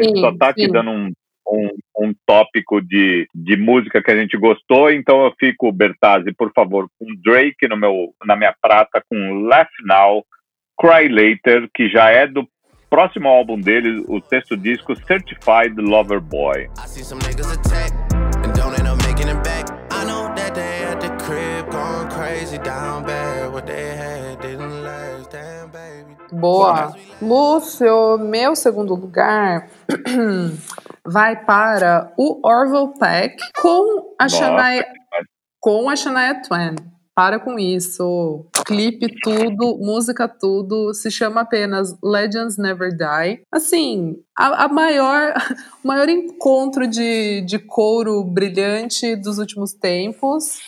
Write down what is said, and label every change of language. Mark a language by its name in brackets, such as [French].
[Portuguese] a gente só tá aqui dando um tópico de música que a gente gostou, então eu fico, Bertazzi, por favor, com Drake na minha prata, com Laugh Now, Cry Later, que já é do próximo álbum dele, o sexto disco, Certified Lover Boy. [English] I see some niggas attack, and don't end up making it back. I know that they at the crib, going crazy, down bad, what they had didn't last, damn baby. [Portuguese] Boa! Lúcio, meu segundo lugar vai para o Orville Peck com a Shania Twain. Para com isso. Clipe tudo, música tudo. Se chama apenas Legends Never Die. Assim, o maior encontro de couro brilhante dos últimos tempos.